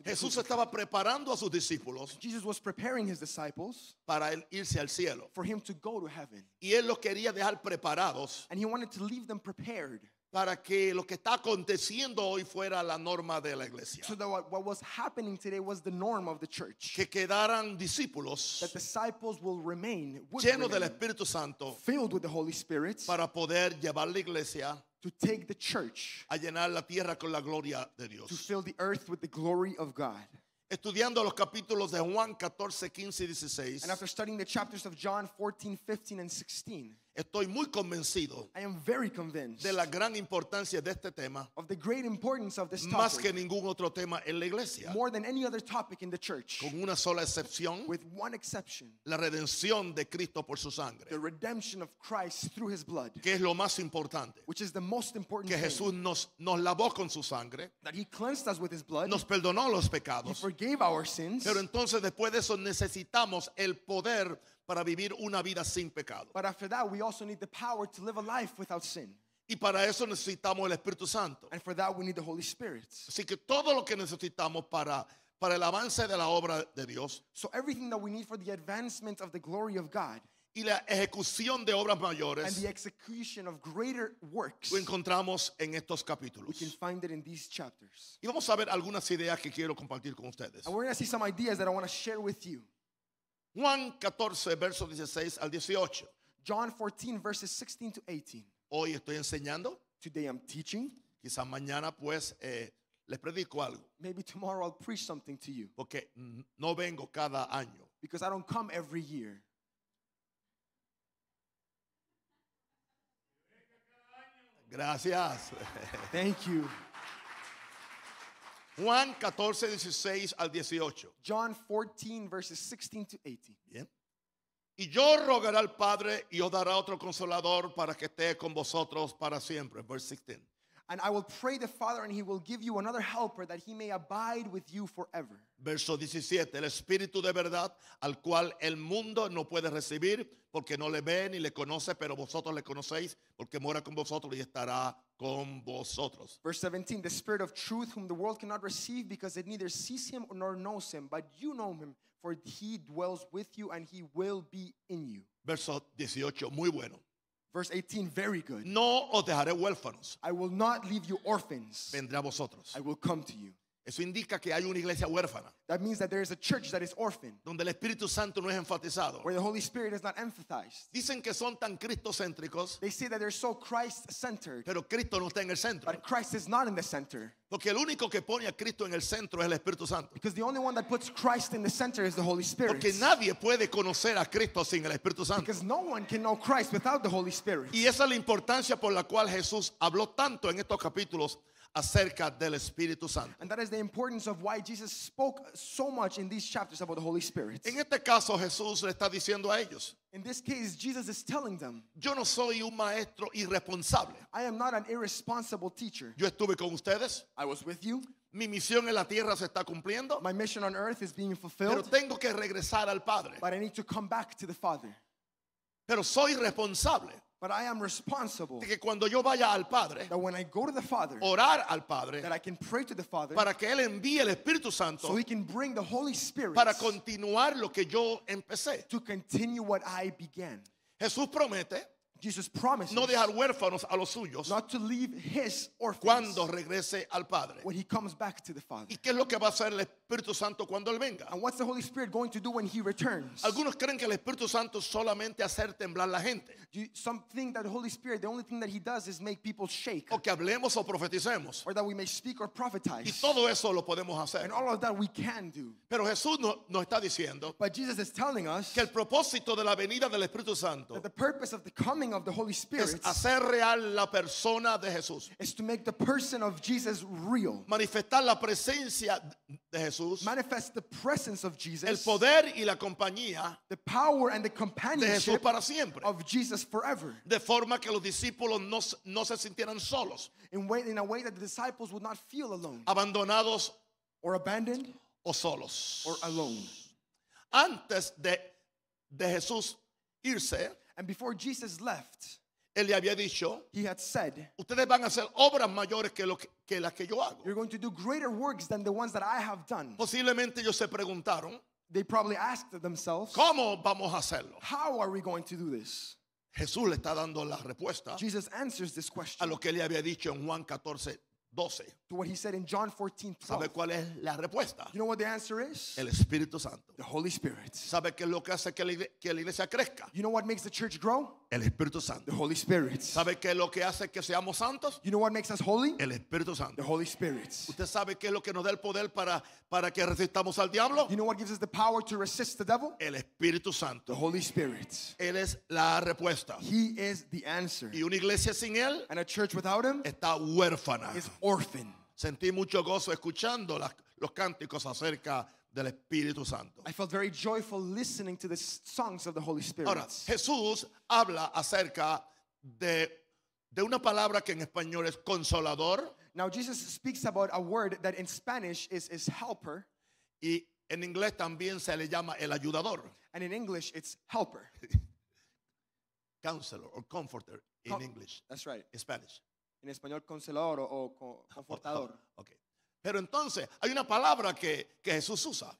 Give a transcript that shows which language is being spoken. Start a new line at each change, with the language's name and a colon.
Spanish: Jesús estaba preparando a sus discípulos.
English: Jesus was preparing his disciples
Spanish: para irse al cielo.
English: For him to go to heaven.
Spanish: Y él los quería dejar preparados.
English: And he wanted to leave them prepared.
Spanish: Para que lo que está aconteciendo hoy fuera la norma de la iglesia.
English: So that what was happening today was the norm of the church.
Spanish: Que quedaran discípulos.
English: That disciples will remain.
Spanish: Llenos del Espíritu Santo.
English: Filled with the Holy Spirit.
Spanish: Para poder llevar la iglesia.
English: To take the church.
Spanish: A llenar la tierra con la gloria de Dios.
English: To fill the earth with the glory of God.
Spanish: Estudiando los capítulos de Juan 14, 15 y 16.
English: And after studying the chapters of John 14, 15 and 16.
Spanish: Estoy muy convencido.
English: I am very convinced.
Spanish: De la gran importancia de este tema.
English: Of the great importance of this topic.
Spanish: Más que ningún otro tema en la iglesia.
English: More than any other topic in the church.
Spanish: Con una sola excepción.
English: With one exception.
Spanish: La redención de Cristo por su sangre.
English: The redemption of Christ through his blood.
Spanish: Que es lo más importante.
English: Which is the most important
Spanish: thing. Que Jesús nos lavó con su sangre.
English: That he cleansed us with his blood.
Spanish: Nos perdonó los pecados.
English: He forgave our sins.
Spanish: Pero entonces después de eso necesitamos el poder para vivir una vida sin pecado.
English: But after that, we also need the power to live a life without sin.
Spanish: Y para eso necesitamos el Espíritu Santo.
English: And for that, we need the Holy Spirit.
Spanish: Así que todo lo que necesitamos para el avance de la obra de Dios.
English: So everything that we need for the advancement of the glory of God.
Spanish: Y la ejecución de obras mayores.
English: And the execution of greater works.
Spanish: Lo encontramos en estos capítulos.
English: We can find it in these chapters.
Spanish: Y vamos a ver algunas ideas que quiero compartir con ustedes.
English: And we're going to see some ideas that I want to share with you.
Spanish: Juan 14, versos 16 al 18.
English: John 14, verses 16 to 18.
Spanish: Hoy estoy enseñando.
English: Today I'm teaching.
Spanish: Quizás mañana, pues, les predico algo.
English: Maybe tomorrow I'll preach something to you.
Spanish: Porque no vengo cada año.
English: Because I don't come every year.
Spanish: Gracias.
English: Thank you.
Spanish: Juan 14, 16 al 18.
English: John 14, verses 16 to 18.
Spanish: Bien. Y yo rogaré al Padre y os dará otro Consolador para que esté con vosotros para siempre.
English: Verse 16. And I will pray the Father, and he will give you another helper that he may abide with you forever.
Spanish: Verso 17, el Espíritu de verdad, al cual el mundo no puede recibir, porque no le ve ni le conoce, pero vosotros le conocéis, porque mora con vosotros y estará con vosotros.
English: Verse 17, the Spirit of truth, whom the world cannot receive, because it neither sees him nor knows him, but you know him, for he dwells with you, and he will be in you.
Spanish: Verso 18, muy bueno.
English: Verse 18, very good.
Spanish: No os dejaré huérfanos.
English: I will not leave you orphans.
Spanish: Vendré a vosotros.
English: I will come to you.
Spanish: Eso indica que hay una iglesia huérfana.
English: That means that there is a church that is orphan.
Spanish: Donde el Espíritu Santo no es enfatizado.
English: Where the Holy Spirit is not emphasized.
Spanish: Dicen que son tan cristocéntricos.
English: They say that they're so Christ-centered.
Spanish: Pero Cristo no está en el centro.
English: But Christ is not in the center.
Spanish: Porque el único que pone a Cristo en el centro es el Espíritu Santo.
English: Because the only one that puts Christ in the center is the Holy Spirit.
Spanish: Porque nadie puede conocer a Cristo sin el Espíritu Santo.
English: Because no one can know Christ without the Holy Spirit.
Spanish: Y esa es la importancia por la cual Jesús habló tanto en estos capítulos acerca del Espíritu Santo.
English: And that is the importance of why Jesus spoke so much in these chapters about the Holy Spirit.
Spanish: En este caso, Jesús le está diciendo a ellos,
English: in this case, Jesus is telling them,
Spanish: yo no soy un maestro irresponsable.
English: I am not an irresponsible teacher.
Spanish: Yo estuve con ustedes.
English: I was with you.
Spanish: Mi misión en la tierra se está cumpliendo.
English: My mission on earth is being fulfilled.
Spanish: Pero tengo que regresar al Padre.
English: But I need to come back to the Father.
Spanish: Pero soy responsable.
English: But I am responsible
Spanish: de que cuando yo vaya al Padre,
English: that when I go to the Father,
Spanish: orar al Padre,
English: that I can pray to the Father,
Spanish: para que él envíe el Espíritu Santo,
English: so he can bring the Holy Spirit,
Spanish: para continuar lo que yo empecé,
English: to continue what I began.
Spanish: Jesús promete,
English: Jesus promises,
Spanish: no dejar huérfanos a los suyos,
English: not to leave his orphans,
Spanish: cuando regrese al Padre,
English: when he comes back to the Father.
Spanish: ¿Y qué es lo que va a hacer el Espíritu Santo cuando él venga?
English: And what's the Holy Spirit going to do when he returns?
Spanish: Algunos creen que el Espíritu Santo solamente hacer temblar la gente.
English: Some think that the Holy Spirit, the only thing that he does is make people shake.
Spanish: O que hablemos o profeticemos.
English: Or that we may speak or prophetize.
Spanish: Y todo eso lo podemos hacer.
English: And all of that we can do.
Spanish: Pero Jesús nos está diciendo,
English: but Jesus is telling us,
Spanish: que el propósito de la venida del Espíritu Santo,
English: that the purpose of the coming of the Holy Spirit,
Spanish: es hacer real la persona de Jesús.
English: Is to make the person of Jesus real.
Spanish: Manifestar la presencia de Jesús.
English: Manifest the presence of Jesus.
Spanish: El poder y la compañía,
English: the power and the companionship,
Spanish: de Jesús para siempre,
English: of Jesus forever.
Spanish: De forma que los discípulos no se sintieran solos.
English: In a way that the disciples would not feel alone.
Spanish: Abandonados.
English: Or abandoned.
Spanish: O solos.
English: Or alone.
Spanish: Antes de Jesús irse,
English: and before Jesus left,
Spanish: él le había dicho,
English: he had said,
Spanish: ustedes van a hacer obras mayores que las que yo hago.
English: You're going to do greater works than the ones that I have done.
Spanish: Posiblemente ellos se preguntaron,
English: they probably asked themselves,
Spanish: ¿cómo vamos a hacerlo?
English: How are we going to do this?
Spanish: Jesús le está dando la respuesta,
English: Jesus answers this question,
Spanish: a lo que él le había dicho en Juan 14, 12.
English: To what he said in John 14, 12.
Spanish: ¿Sabe cuál es la respuesta?
English: You know what the answer is?
Spanish: El Espíritu Santo.
English: The Holy Spirit.
Spanish: ¿Sabe qué es lo que hace que la iglesia crezca?
English: You know what makes the church grow?
Spanish: El Espíritu Santo.
English: The Holy Spirit.
Spanish: ¿Sabe qué es lo que hace que seamos santos?
English: You know what makes us holy?
Spanish: El Espíritu Santo.
English: The Holy Spirit.
Spanish: ¿Usted sabe qué es lo que nos da el poder para que resistamos al diablo?
English: You know what gives us the power to resist the devil?
Spanish: El Espíritu Santo.
English: The Holy Spirit.
Spanish: Él es la respuesta.
English: He is the answer.
Spanish: ¿Y una iglesia sin él?
English: And a church without him?
Spanish: Está huérfana.
English: Is orphan.
Spanish: Sentí mucho gozo escuchando los cánticos acerca del Espíritu Santo.
English: I felt very joyful listening to the songs of the Holy Spirit.
Spanish: Ahora, Jesús habla acerca de una palabra que en español es consolador.
English: Now Jesus speaks about a word that in Spanish is helper.
Spanish: Y en inglés también se le llama el ayudador.
English: And in English it's helper. Counselor or comforter in English. That's right. In Spanish.
Spanish: En español, consolador o confortador.
English: Okay.
Spanish: Pero entonces, hay una palabra que Jesús usa.